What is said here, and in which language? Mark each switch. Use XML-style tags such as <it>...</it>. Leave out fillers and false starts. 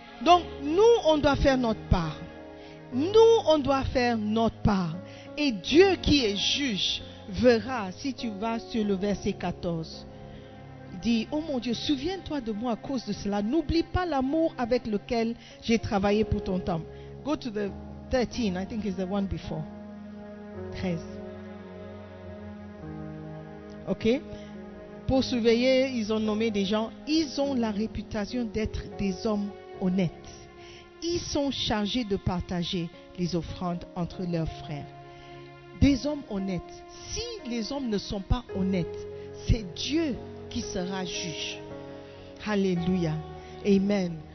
<fr>Donc, nous, on doit faire notre part. Nous, on doit faire notre part. Et Dieu qui est juge verra, si tu vas sur le verset 14. Dit, oh mon Dieu, souviens-toi de moi à cause de cela. N'oublie pas l'amour avec lequel j'ai travaillé pour ton temple.</fr> <en>Go to the 13, I think it's the one before. 13. Ok.</en> <fr>Pour surveiller, ils ont nommé des gens. Ils ont la réputation d'être des hommes honnêtes. Ils sont chargés de partager les offrandes entre leurs frères. Des hommes honnêtes. Si les hommes ne sont pas honnêtes, c'est Dieu qui sera juge. Alléluia. Amen.</fr>